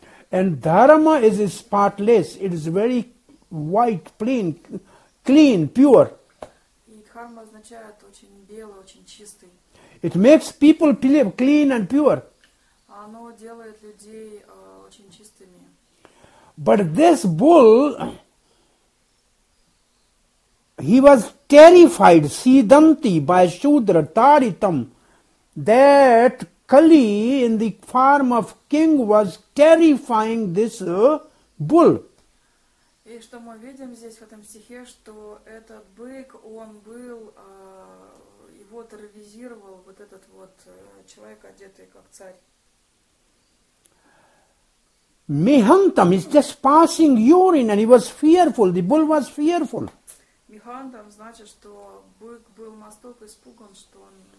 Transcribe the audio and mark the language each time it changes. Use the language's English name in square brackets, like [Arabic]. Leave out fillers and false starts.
[English] And Dharma is spotless, it is very white, plain. Clean, pure. [Russian] Дхарма означает очень белый, очень чистый. [English] It makes people believe clean and pure. [Russian] Оно делает людей очень чистыми. [English] But this bull, he was terrified, Sidanti, by Shudra, Taritam, that Kali in the form of king was terrifying this bull. [Russian] И что мы видим здесь в этом стихе, что этот бык, он был, его терроризировал вот этот вот человек, одетый как царь. [English] Mihantam is just passing urine and he was fearful, the bull was fearful. [Russian] Mihantam значит, что бык был настолько испуган, что он...